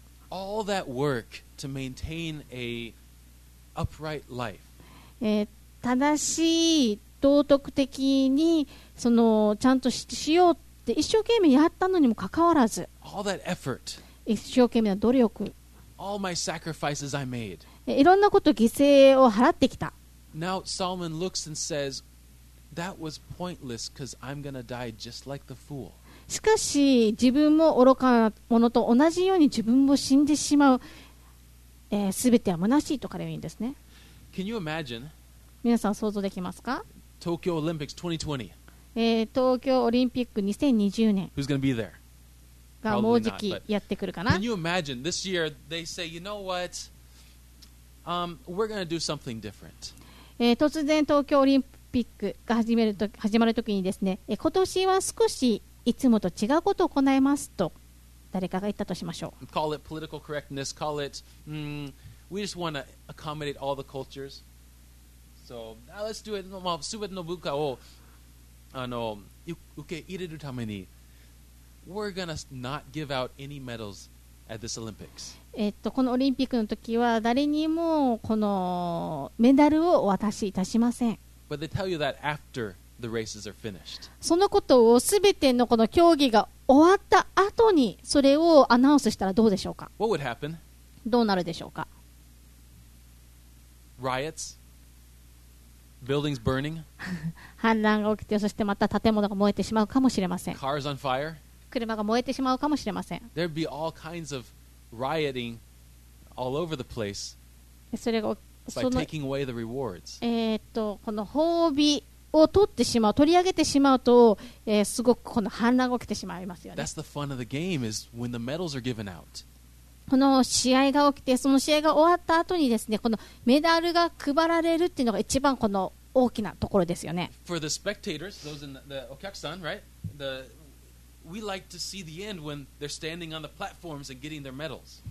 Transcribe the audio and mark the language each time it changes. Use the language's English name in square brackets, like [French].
[English] All that work to maintain a upright life. [Japanese] 正しい道徳的にそのちゃんとしようって一生懸命やったのにもかかわらず。 [English] All that effort. [Japanese] 一生懸命な努力。 [English] All my sacrifices I made. [Japanese] いろんなこと犠牲を払ってきた。 [English] Now Solomon looks and says, "That was pointless because I'm gonna die just like the fool." [Japanese] しかし自分も愚かなものと同じように自分も死んでしまう。全ては虚しいと彼は言うんですね。 [English] Can you imagine? [Japanese] 皆さん想像できますか？東京オリンピック2020。東京オリンピック2020年。 [English] Who's gonna be there? [Japanese] がもうじきやってくるかな。 [English] Can you imagine this year they say, you know what? We're gonna do something different. [Japanese] 突然東京オリンピックが始まるときにですね、今年は少しいつもと違うことを行いますと誰かが言ったとしましょう。 [English] Call it political correctness. Call it, we just want to accommodate all the cultures. So now let's do it. [Japanese] まあ、すべての文化を受け入れるために。 [English] We're gonna not give out any medals at this Olympics. [Japanese] このオリンピックの時は誰にもこのメダルをお渡しいたしません。 [English] But they tell you that after the races are finished. [Japanese] そのことをすべてのこの競技が終わった後にそれをアナウンスしたらどうでしょうか。 [English] What would happen? [Japanese] どうなるでしょうか。 [English] Riots? Buildings burning? [Japanese] 反乱が起きて、そしてまた建物が燃えてしまうかもしれません。 [English] Cars on fire? [Japanese] 車が燃えてしまうかもしれません。 [English] There'd be all kinds of rioting all over the place. [Japanese] それが、 [English] by taking away the rewards. [Japanese] この褒美を取ってしまう、取り上げてしまうと、すごくこの反乱が起きてしまいますよね。 [English] That's the fun of the game is when the medals are given out. [Japanese] この試合が起きて、その試合が終わった後にですね、このメダルが配られるっていうのが一番この大きなところですよね。 [English] For the spectators, those in the お客さん、right? The... We like to see the end when they're standing on the platforms and getting their medals.